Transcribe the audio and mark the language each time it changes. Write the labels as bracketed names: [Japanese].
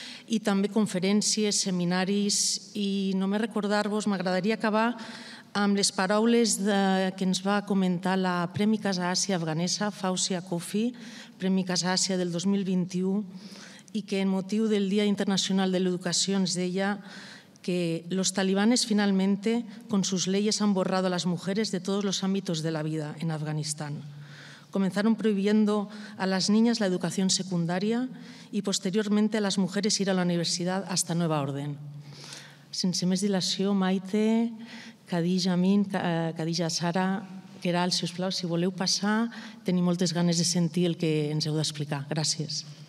[Catalan] i també conferències, seminaris, i només recordar-vos, m'agradaria acabar amb les paraules que ens va comentar la Premi Casa Àsia Afganesa, Fawzia Kofi, Premi Casa Àsia del 2021, i que en motiu del Dia Internacional de l'Educació ens deia que [Spanish] los talibanes finalmente con sus leyes han borrado a las mujeres de todos los ámbitos de la vida en Afganistán. Comenzaron prohibiendo a las niñas la educación secundaria y posteriormente a las mujeres ir a la universidad hasta nueva orden. [Catalan] Sense més dilació, Maite, Khadija Amin, Khadija Zahra, Queralt, si us plau, si voleu passar, tenim moltes ganes de sentir el que ens heu d'explicar. Gràcies.